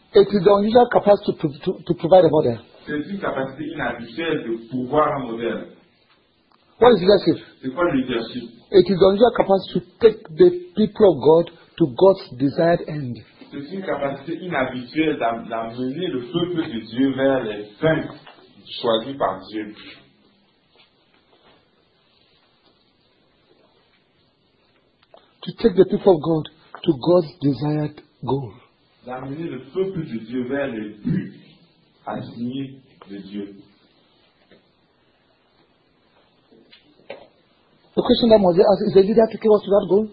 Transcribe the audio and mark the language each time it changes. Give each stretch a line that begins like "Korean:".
English: It is the unusual capacity to provide a model.
French: C'est une capacité inhabituelle de pouvoir un modèle.
English: What is leadership?
French: C'est quoi le leadership?
English: It is the unusual capacity to take the people of God to God's desired end.
French: C'est une capacité inhabituelle d'amener le peuple de Dieu vers les fins choisies par Dieu.
English: To take the people of God to God's desired goal.
French: D'amener le peuple de Dieu vers les buts assignés de Dieu.
English: The question that Moses asked, is the leader taking us to that goal?